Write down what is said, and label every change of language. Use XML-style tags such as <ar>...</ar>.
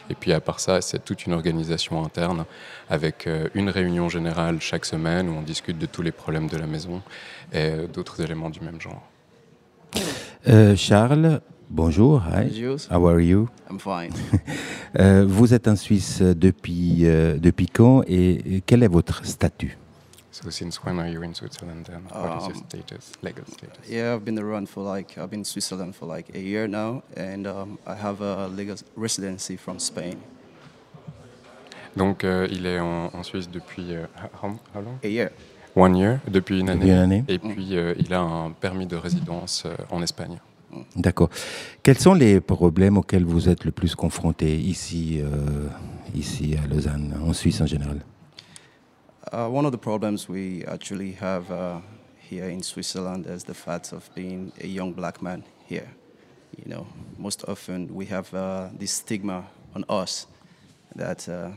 <fr>Et puis, à part ça, c'est toute une organisation interne avec une réunion générale chaque semaine où on discute de tous les problèmes de la maison et d'autres éléments du même genre. Charles, bonjour.</fr> <en>Hi. How are you? I'm fine.</en> <fr>Vous êtes en Suisse depuis quand et quel est votre statut?</fr> <en>So since when are you in Switzerland and what is your status, legal status? Yeah, I've been in Switzerland for like a year now and I have a legal residency from Spain.</en> <fr>Donc il est en Suisse depuis</fr> <en>how long? A year. One year,</en> <fr>depuis une année. Depuis une année. Et puis il a un permis de résidence en Espagne. D'accord. Quels sont les problèmes auxquels vous êtes le plus confronté ici à Lausanne, en Suisse en général?</fr> <en>One of the problems we actually have here in Switzerland is the fact of being a young black man here. You know, most often we have this stigma on us that</en>